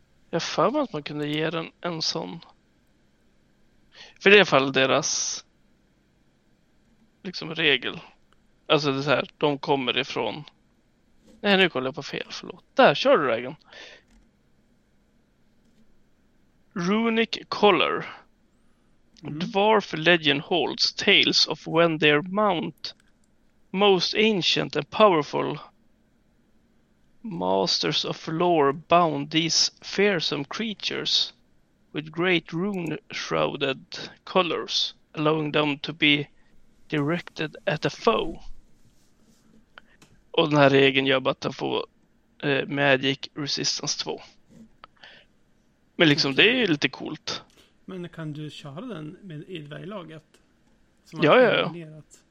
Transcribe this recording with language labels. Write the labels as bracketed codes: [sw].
[sv] Jag fan att man kunde ge den en sån. För det är i alla fall deras liksom regel. Alltså det är så här, de kommer ifrån... Nej, nu kollar jag på fel, förlåt. Där, kör du vägen. Runic Color. [en] Dwarf legend holds tales of when their mount, most ancient and powerful masters of lore, bound these fearsome creatures with great rune-shrouded colors, allowing them to be directed at a foe. [sv] Och den här regeln gör att de får Magic Resistance 2. Men liksom, okay, det är ju lite coolt. Men kan du köra den med i varje laget? Ja, ja, ja.